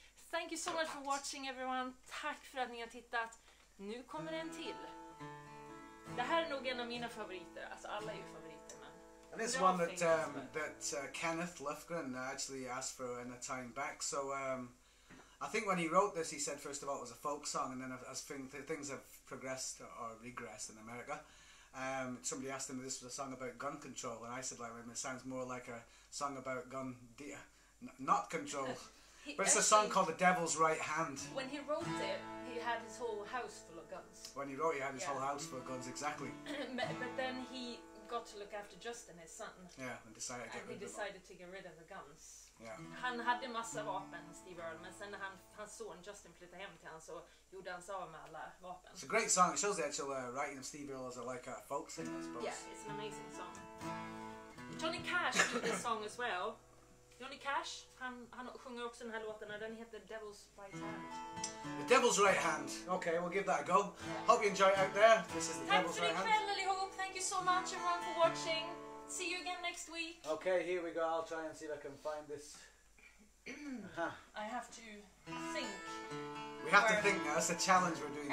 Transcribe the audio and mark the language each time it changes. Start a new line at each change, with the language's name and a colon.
English: Thank you so much for watching, everyone.
Swedish: Tack för att ni har tittat. Nu kommer en till. Det här är nog en av mina favoriter. Alltså, alla är ju favoriter, men...
English: And this one that Kenneth Lofgren actually asked for in a time back. So I think when he wrote this, he said, first of all, it was a folk song. And then as things have progressed or regressed in America, Somebody asked him if this was a song about gun control, and I said, like, it sounds more like a song about gun not control. But it's actually a song called The Devil's Right Hand. When he wrote it, he had his whole house full of guns. When he wrote it, he had his whole house full of guns, exactly. But then he got to look after Justin, his son. Yeah, and decided to get rid of them. And he decided to get rid of the guns. Yeah.
Swedish: Han hade massa vapen, Steve Earle, men sen när hans son Justin flyttade hem till han så gjorde han sig av med alla vapen.
English: It's a great song, it shows the actual writing of Steve Earle as a like a folk singer, I suppose. Yeah, it's an amazing song. Johnny Cash did this song as well.
Swedish: Johnny Cash, han sjunger också den här låten och den heter Devil's Right Hand.
English: The Devil's Right Hand. Okay, we'll give that a go. Yeah. Hope you enjoy it out there. This is Thank the Devil's Right Hand. Thank you for your time, thank you so much everyone for watching. See you again next week. Okay, here we go. I'll try and see if I can find this. I have to think. We have to think now. That's a challenge we're doing.